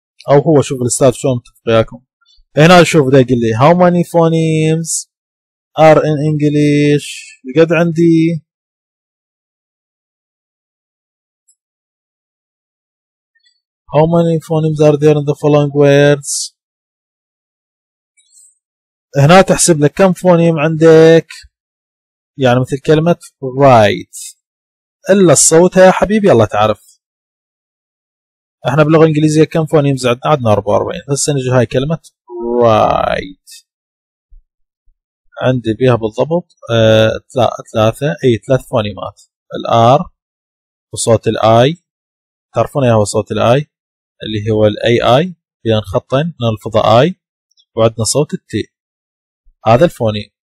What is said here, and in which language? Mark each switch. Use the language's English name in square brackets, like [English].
[Arabic] او هو شوف الاستاذ شلون متفق وياكم هنا شوف ده يقول لي [English] how many phonemes are in English [Arabic] قد عندي [English] How many phonemes are there in the following words؟ [Arabic] هنا تحسب لك كم فونيم عندك، يعني مثل كلمة right. إلا الصوت يا حبيبي الله تعرف. إحنا باللغة الإنجليزية كم فونيم عندنا؟ عندنا 44. هسه نجي هاي كلمة right. عندي بيها بالضبط ثلاثة، أي ثلاث فونيمات، الآر وصوت الآي، تعرفون إيه هو صوت الآي؟ اللي هو الأي آي، بين خطين نلفظ آي، وعندنا صوت التي، هذا الفونيم.